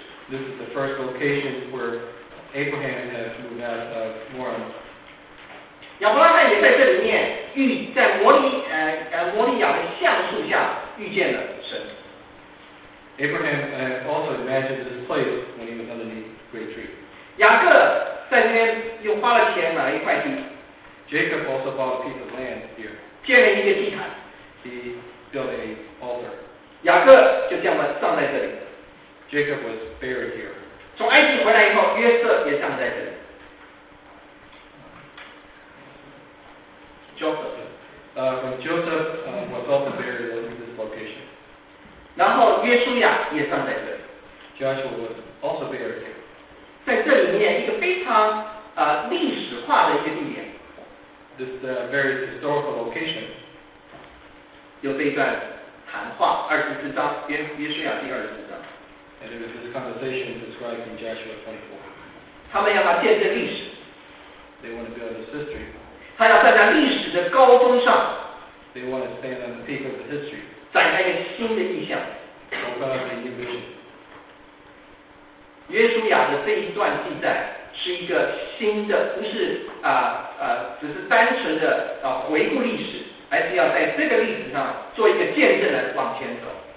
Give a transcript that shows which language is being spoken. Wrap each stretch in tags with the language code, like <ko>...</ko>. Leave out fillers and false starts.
<en>This is the first location where Abraham has moved out of Moron.</en> <zh>亚伯拉罕也在这里面在摩利亚的橡树下遇见了神。</zh> <en>Abraham also imagined this place when he was underneath the great tree.</en> <zh>雅各在那边又花了钱买了一块地。</zh> <en>Jacob also bought a piece of land here.</en> <zh>建了一个祭坛。</zh> <en>He built an altar.</en> <zh>雅各就这么葬在这里。</zh> <en>Jacob was buried here.</en> <zh>从埃及回来以后，约瑟也葬在这里。</zh> <en>Joseph was also buried in this location.</en> <zh>然后约书亚也葬在这里。</zh> <en>Joshua was also buried here.</en> <zh>在这里面一个非常历史化的一些地点。</zh> <en>This is a very historical location.</en> <zh>有这一段谈话，二十四章约书亚第二十四章。</zh> <en>And it was this conversation described in Joshua 24.</en> <zh>他们要把见证历史。</zh> <en>They want to build this history.</en> <zh>他要站在历史的高峰上。</zh> <en>They want to stand on the peak of the history.</en> <zh>展开一个新的意象。</zh> <en>Open up a new vision.</en> <zh>约书亚的这一段记载是一个新的，不是只是单纯的回顾历史，而是要在这个历史上做一个见证的往前走。</zh>